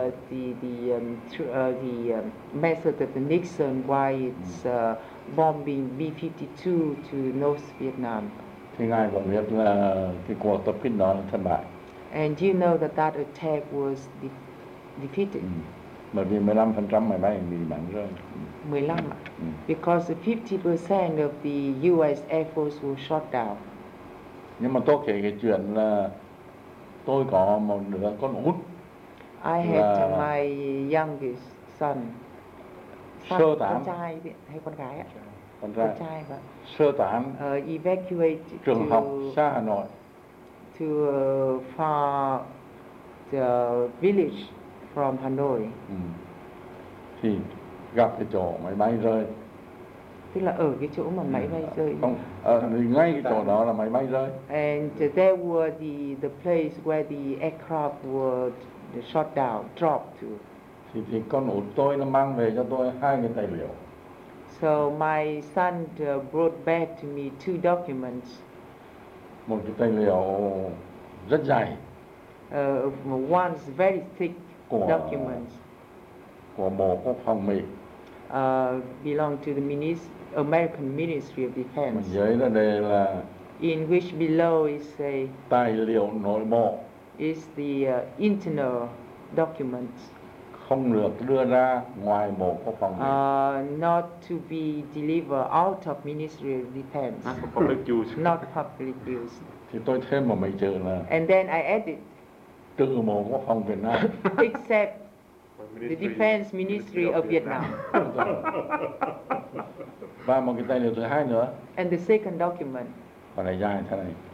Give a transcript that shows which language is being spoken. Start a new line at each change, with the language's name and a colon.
English: The method of Nixon, why it's bombing B-52 to North Vietnam.
Vietnamese: Thì ngài còn biết là cái cuộc tập kích đó là thất bại.
English: And you know that attack was defeated.
Vietnamese: Bởi vì 15% máy bay bị bắn rơi.
English: 15. Because 50% of the U.S. Air Force was shot down.
Vietnamese: Nhưng mà tôi kể cái chuyện là tôi có một đứa con út.
English: I had my youngest son.
Vietnamese: Sơ tán. Con trai hay con gái ạ? Con trai. Con trai và sơ tán.
English: Evacuate
Vietnamese: trường
English: to,
Vietnamese: học xa Hà Nội.
English: To a far the village from Hanoi.
Vietnamese: Thì gặp cái chỗ máy bay rơi. Tức là ở cái chỗ mà máy bay rơi. Ngay cái chỗ đó là máy bay rơi.
English: And there were the place where the aircraft were shot down, dropped to.
Vietnamese: Thì con út tôi nó mang về cho tôi hai cái tài liệu.
English: So my son brought back to me two documents.
Vietnamese: Một cái tài liệu rất dài.
English: One very thick document.
Vietnamese: Của Bộ Quốc phòng Mỹ.
English: Belong to the American Ministry of Defense.
Vietnamese: Dưới là đây là
English: in which below is a
Vietnamese: tài liệu nội bộ.
English: Is the internal documents.
Vietnamese: Không được đưa ra ngoài Bộ Quốc phòng.
English: Not to be delivered out of Ministry of Defense. Not for public use. Not public use.
Vietnamese: Thì tôi thêm một mấy chữ là.
English: And then I added.
Vietnamese: Từ Bộ Quốc phòng Việt Nam.
English: Except. The Defense Ministry of Vietnam.
Vietnamese: Và một cái tài liệu thứ hai nữa.
English: And the second document.
Vietnamese: Còn này dài thế này.